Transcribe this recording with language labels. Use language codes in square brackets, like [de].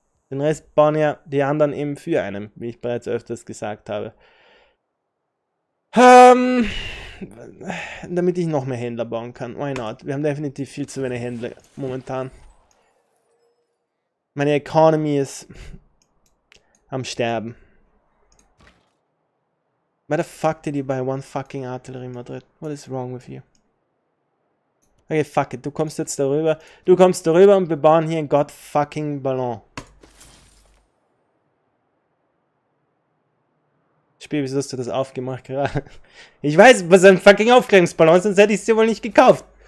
[de] Den Rest bauen ja die anderen eben für einen, wie ich bereits öfters gesagt habe. Damit ich noch mehr Händler bauen kann. [en] Why not? [de] Wir haben definitiv viel zu wenig Händler momentan. Meine Economy ist am Sterben. [en] Why the fuck did you buy one fucking artillery in Madrid? What is wrong with you? Okay, fuck it. [de] Du kommst jetzt darüber. Du kommst darüber und wir bauen hier einen God fucking Ballon. Spiel, wieso hast du das aufgemacht gerade? Ich weiß, was ein fucking Aufklärungsballon ist, sonst hätte ich es dir wohl nicht gekauft.